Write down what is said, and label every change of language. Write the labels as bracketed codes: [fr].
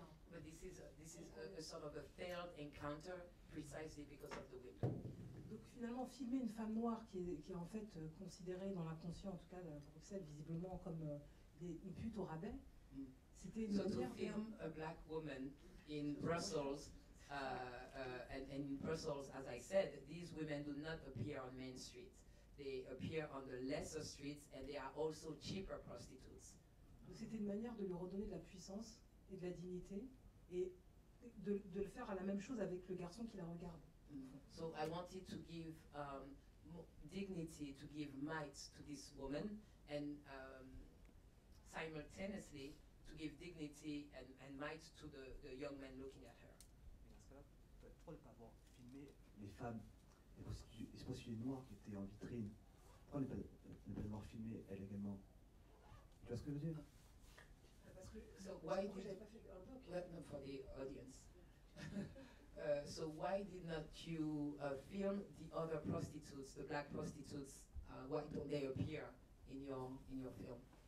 [en] But this is a sort of a failed encounter precisely because of the window. [fr] Donc finalement, filmer une femme noire qui est en fait considérée dans l'inconscient, en tout cas à Bruxelles, visiblement comme une pute au rabais, c'était une [en] manière. So to film a black woman in Brussels, and in Brussels, as I said, these women do not appear on main streets. They appear on the lesser streets, and they are also cheaper prostitutes. [fr] Donc c'était une manière de lui redonner de la puissance et de la dignité, et de le faire à la même chose avec le garçon qui la regarde. [en] So I wanted to give dignity, to give might to this woman, and simultaneously to give dignity and might to the young man looking at her. [fr] Pourquoi ne pas avoir filmé les femmes, les prostituées noires qui étaient en vitrine, pourquoi ne pas avoir filmé elle également? Tu vois ce que je veux dire? [en] So why did for the audience? So why did not you film the other prostitutes, the black prostitutes? Why don't they appear in your film?